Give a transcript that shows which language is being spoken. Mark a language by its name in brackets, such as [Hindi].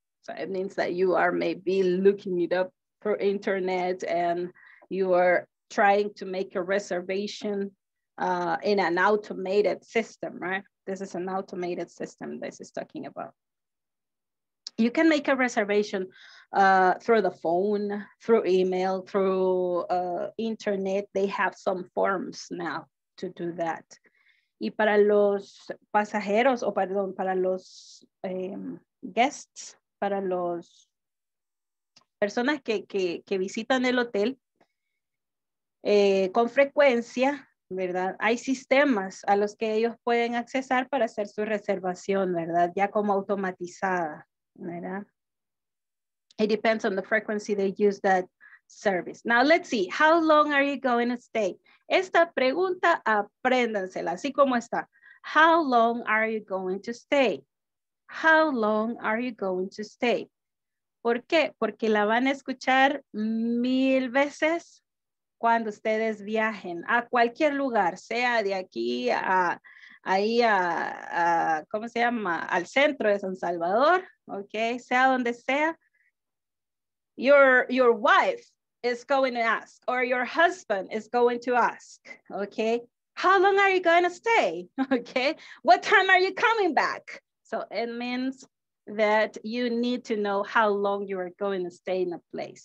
[English] So it means that you are maybe looking it up through internet and you are trying to make a reservation in an automated system, right? This is an automated system this is talking about. You can make a reservation through the phone, through email, through internet. They have some forms now to do that. [Spanish] Y para los pasajeros, o perdón, para los guests, para los personas que visitan el hotel, con frecuencia, ¿verdad? Hay sistemas a los que ellos pueden accesar para hacer su reservación, ¿verdad? Ya como automatizada, ¿verdad? [English] It depends on the frequency they use that service. Now, let's see. How long are you going to stay? [Spanish] Esta pregunta, apréndansela, así como está. [English] How long are you going to stay? How long are you going to stay? [Spanish] ¿Por qué? Porque la van a escuchar mil veces. Cuando ustedes viajen a cualquier lugar, sea de aquí a ahí a ¿cómo se llama? Al centro de San Salvador, okay, sea donde sea, [English] your wife is going to ask, or your husband is going to ask, okay, how long are you going to stay, okay, what time are you coming back? So it means that you need to know how long you are going to stay in a place.